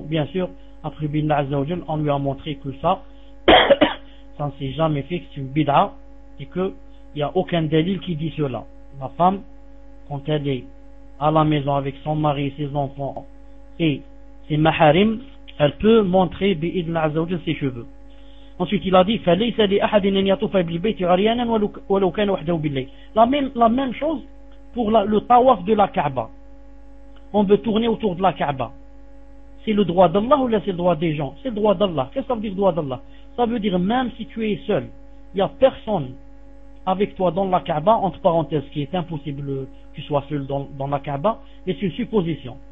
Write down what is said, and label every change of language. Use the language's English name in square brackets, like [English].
[French] Bien sûr, après Binna Azzawajal, on lui a montré que ça, ça ne s'est jamais fait, que c'est une bid'a et qu'il n'y a aucun dalil qui dit cela. La femme, quand elle est à la maison avec son mari, ses enfants et ses maharim, elle peut montrer bi'idna azawajal ses cheveux. Ensuite, il a dit [Arabic] فَلَيْسَ لِأَحَدٍ أَنْ يَطُوفَ بِالْبَيْتِ عَرْيَانًا وَلَوْ كَانَ وَحْدَهُ بِاللَّيْلِ. [French] La même chose pour le tawaf de la Kaaba. On veut tourner autour de la Kaaba. C'est le droit d'Allah ou là c'est le droit des gens ? C'est le droit d'Allah. Qu'est-ce que ça veut dire le droit d'Allah ? Ça veut dire même si tu es seul, il n'y a personne avec toi dans la Kaaba, entre parenthèses, qui est impossible que tu sois seul dans la Kaaba, mais c'est une supposition.